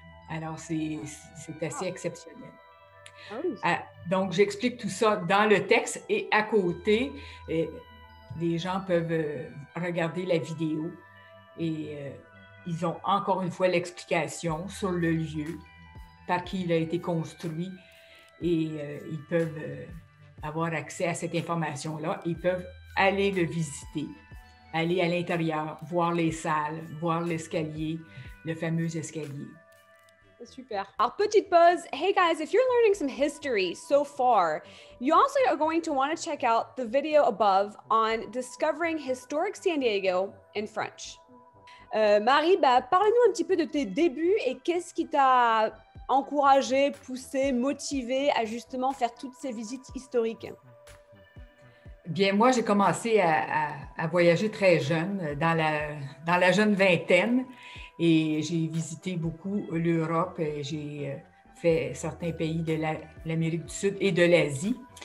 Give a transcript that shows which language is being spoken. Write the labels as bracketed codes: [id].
[fr] Alors, c'est assez exceptionnel. Donc, j'explique tout ça dans le texte et à côté, les gens peuvent regarder la vidéo et ils ont encore une fois l'explication sur le lieu, par qui il a été construit et ils peuvent avoir accès à cette information-là. Ils peuvent aller le visiter, aller à l'intérieur, voir les salles, voir l'escalier, le fameux escalier. Super. Alors, petite pause. [en] Hey guys, if you're learning some history so far, you also are going to want to check out the video above on discovering historic San Diego in French. [fr] Marie, parle-nous un petit peu de tes débuts et qu'est-ce qui t'a encourager, pousser, motiver à justement faire toutes ces visites historiques? Bien, moi, j'ai commencé à voyager très jeune, dans la jeune vingtaine, et j'ai visité beaucoup l'Europe, et j'ai fait certains pays de l'Amérique du Sud et de l'Asie.